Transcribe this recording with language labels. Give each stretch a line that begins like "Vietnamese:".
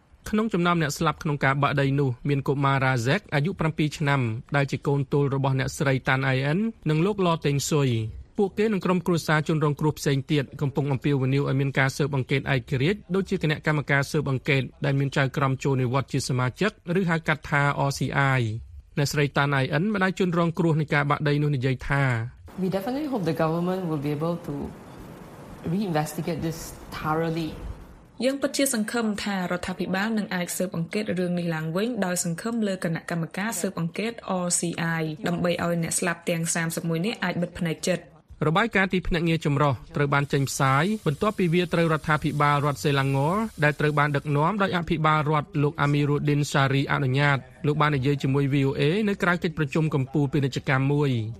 Khmer: ក្នុងចំណោមអ្នកស្លាប់ក្នុងការបាក់ដីនោះមានកុមារ៉ាហ្សេកអាយុ7ឆ្នាំដែលជាកូនទូលរបស់អ្នកស្រីតាន់អៃអិននិងលោកឡតេងស៊ុយពួកគេនឹងក្រុមគ្រួសារជនរងគ្រោះផ្សេងទៀតកំពុងអំពាវនាវឲ្យមានការស៊ើបអង្កេតឯករាជ្យដូចជាគណៈកម្មការស៊ើបអង្កេតដែលមានចៅក្រមចូលនិវត្តជាសមាជិកឬហៅកាត់ថា RCI អ្នកស្រីតាន់អៃអិនម្ដាយជនរងគ្រោះនៃការបាក់ដីនោះនិយាយថា
English: We definitely hope the government will be able to reinvestigate this thoroughly
Khmer: យើងពិតជាសង្ឃឹមថារដ្ឋាភិបាលនឹងអាចស៊ើបអង្កេតរឿងនេះឡើងវិញដោយសង្ឃឹមលើគណៈកម្មការស៊ើបអង្កេត RCI ដើម្បីឲ្យអ្នកស្លាប់ទាំង31នាក់អាចបិទភ្នែកចិត្ត របាយការណ៍ទីភ្នាក់ងារចម្រោះត្រូវបានចេញផ្សាយបន្ទាប់ពីវាត្រូវរដ្ឋាភិបាលរដ្ឋសេឡាងងដែលត្រូវបានដឹកនាំដោយអភិបាលរដ្ឋលោកអាមីរូឌីនសារីអនុញ្ញាតលោកបាននិយាយជាមួយ VOA នៅក្រៅកិច្ចប្រជុំកម្ពុជាពាណិជ្ជកម្មមួយ